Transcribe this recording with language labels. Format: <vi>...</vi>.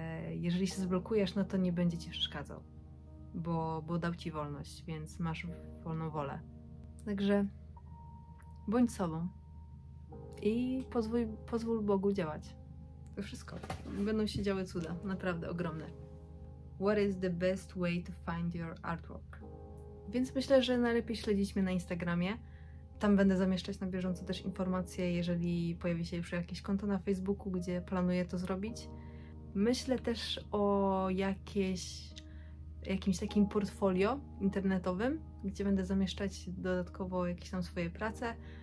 <pl>Jeżeli się zblokujesz, no to nie będzie ci przeszkadzał, bo dał ci wolność, więc masz wolną wolę. Także bądź sobą i pozwól Bogu działać. To wszystko. Będą się działy cuda, naprawdę ogromne.</pl> <en>What is the best way to find your artwork?</en> <pl>Więc myślę, że najlepiej śledzić mnie na Instagramie. Tam będę zamieszczać na bieżąco też informacje, jeżeli pojawi się już jakieś konto na Facebooku, gdzie planuję to zrobić. Myślę też o jakimś takim portfolio internetowym, gdzie będę zamieszczać dodatkowo jakieś tam swoje prace.</pl>